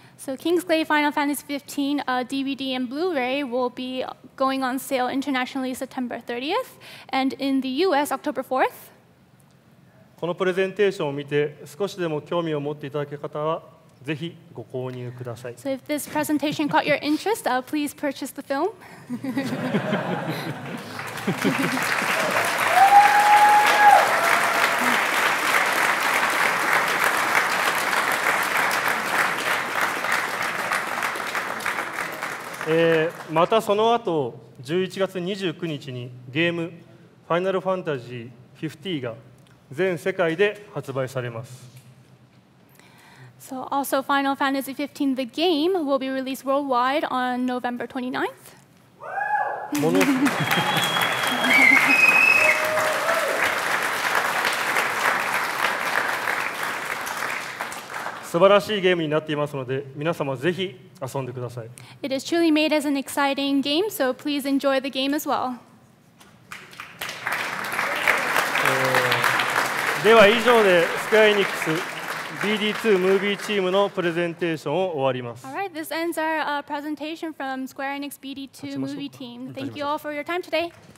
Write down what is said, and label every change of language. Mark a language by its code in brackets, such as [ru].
[en] So Kingsglaive Final Fantasy 15 DVD and Blu-ray will be going on sale internationally September 30th and in the US October 4th. [ja] このプレゼンテーションを見て少しでも興味を持っていただける方はぜひご購入ください。 [en] So if this presentation caught your interest, please purchase the film. [ja] またその後11月29日にゲームファイナルファンタジー50が全世界で発売されます。 [en] So also Final Fantasy 15 the game will be released worldwide on November [ja] 29th. 素晴らしいゲームになっていますので、皆様ぜひ遊んでください。 [en] It is truly made as an exciting game, so please enjoy the game as well. [ja] では以上でスクエアエニックス BD2 ムービーチームのプレゼンテーションを終わります。 [en] All right, this ends our presentation from Square Enix BD2 movie team. Thank you all for your time today.